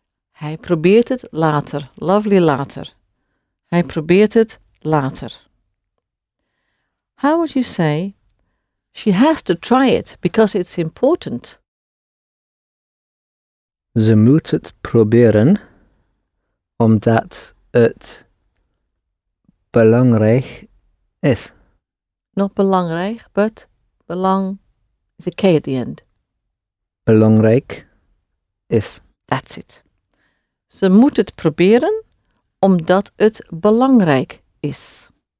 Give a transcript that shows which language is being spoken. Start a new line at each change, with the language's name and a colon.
Dutch: Hij probeert het later. Lovely later. Hij probeert het later.
English: How would you say, she has to try it because it's important?
Dutch: Ze moet het proberen omdat het belangrijk is.
English: Not belangrijk, but belang is a K at the end.
Dutch: Belangrijk is.
English: That's it.
Dutch: Ze moet het proberen omdat het belangrijk is.